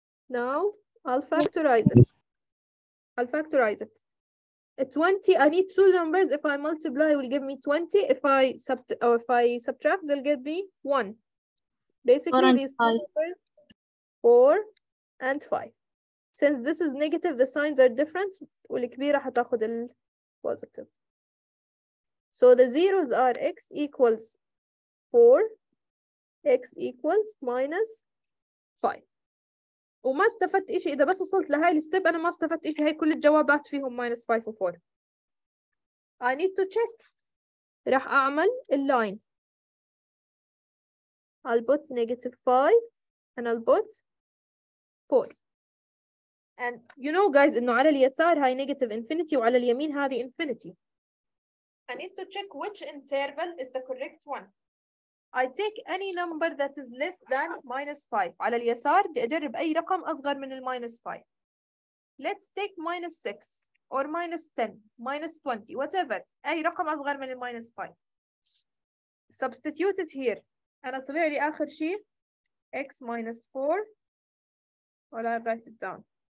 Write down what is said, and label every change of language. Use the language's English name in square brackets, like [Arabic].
[English] Now I'll factorize it. I'll factorize it. 20, I need two numbers. If I multiply, it will give me 20. If I subtract, they'll give me 1. Basically, these two numbers, 4 and 5. Since this is negative, the signs are different. [Arabic] والكبيرة حتاخد positive. [English] So the zeros are x equals 4, x equals minus [Arabic] 5 وما استفدت إشي إذا بس وصلت لهاي الستيب أنا ما استفدت إشي هاي كل الجوابات فيهم minus 5 و 4 [English] I need to check [Arabic] راح أعمل اللاين [English] I'll put negative 5 and I'll put 4 and you know guys [Arabic] إنه على اليسار هاي negative infinity وعلى اليمين هذه infinity [English] I need to check which interval is the correct one. I take any number that is less than minus 5. [Arabic] على اليسار بدي أجرب أي رقم أصغر من الماينس 5. [English] Let's take minus 6 or minus 10, minus 20, whatever. [Arabic] أي رقم أصغر من الماينس 5. [English] Substitute it here. [Arabic] أنا صغير لي آخر شيء. [English] X minus 4. Well, I write it down.